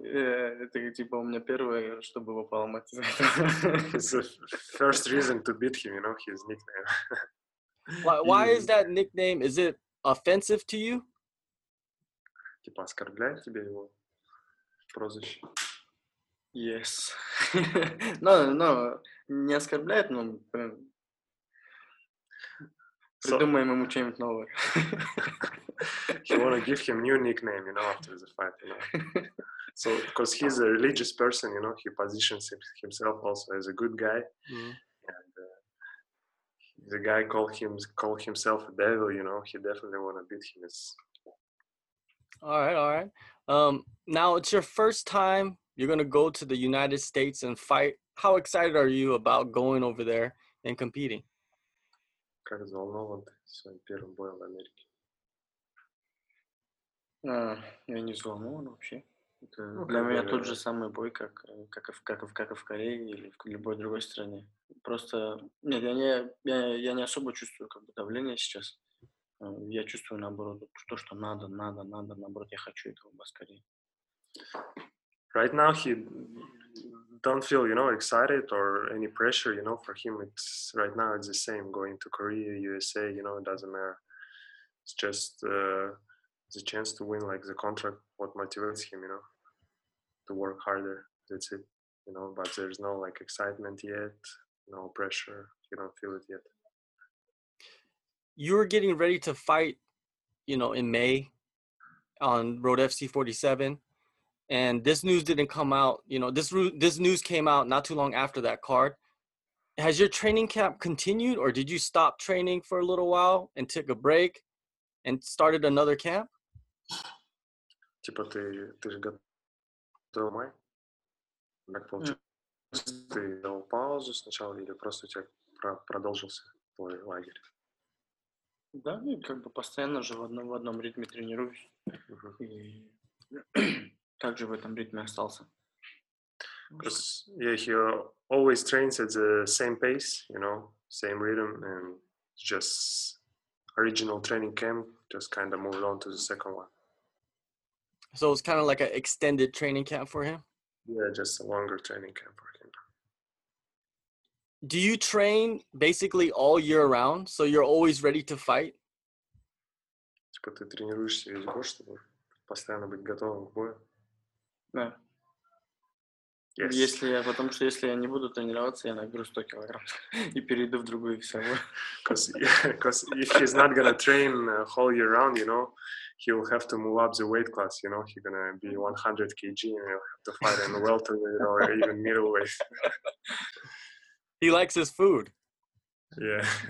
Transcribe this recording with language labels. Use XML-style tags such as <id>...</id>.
<ru>Yeah, это типа у меня первое, чтобы его поломать.</ru> <en>It's the first reason to beat him, you know, his nickname. Why is that nickname? Is it offensive to you?</en> <ru>Типа оскорбляет тебе его прозвище?</ru> <en>Yes.</en> <ru>No, не оскорбляет, но придумаем ему что-нибудь новое.</ru> <en>You want to give him new nickname, you know, after the fight, you know. So, because he's a religious person, you know, he positions himself also as a good guy. Mm-hmm. And the guy call himself a devil, you know, he definitely want to beat him. All right. Now, it's your first time. You're going to go to the United States and fight. How excited are you about going over there and competing?</en> <ru>Как взволнован своим первым боем в Америке. Я не взволнован вообще. Это, ну, для меня тот же самый бой, как в Корее или в любой другой стране. Просто нет, я не особо чувствую как бы давление сейчас. Я чувствую наоборот то, что надо, наоборот, я хочу этого поскорее.</ru> <en>Right now he don't feel, you know, excited or any pressure, you know, for him it's right now it's the same going to Korea, USA, you know, it doesn't matter. It's just the chance to win, like the contract, what motivates him, you know, to work harder. That's it, you know. But there's no like excitement yet, no pressure. You don't feel it yet. You're getting ready to fight, you know, in May on Road FC 47. And this news didn't come out, you know, this news came out not too long after that card. Has your training camp continued or did you stop training for a little while and took a break and started another camp?</en> <ru>Типа ты же готов май? Так получилось, ты дал паузу сначала или просто у тебя продолжился твой лагерь? Да, я как бы постоянно же в одном ритме тренируюсь. И также в этом ритме остался.</ru> <en>Because yeah, he always trains at the same pace, you know, same rhythm, and just original training camp just kind of moved on to the second one. So it's kind of like an extended training camp for him? Yeah, just a longer training camp for him. Do you train basically all year round? So you're always ready to fight?</en> <ru>Типа ты тренируешься весь год, чтобы постоянно быть готовым к бою? Да.</ru> <en>Yes.</en> <ru>Потому что если я не буду тренироваться, я наберу 100 килограмм и перейду в другую весовую.</ru> <en>Because if he's not going to train whole year round, you know, he will have to move up the weight class, you know. He's gonna be 100 kg and he'll have to fight in welterweight or even middleweight. He likes his food. Yeah.</en>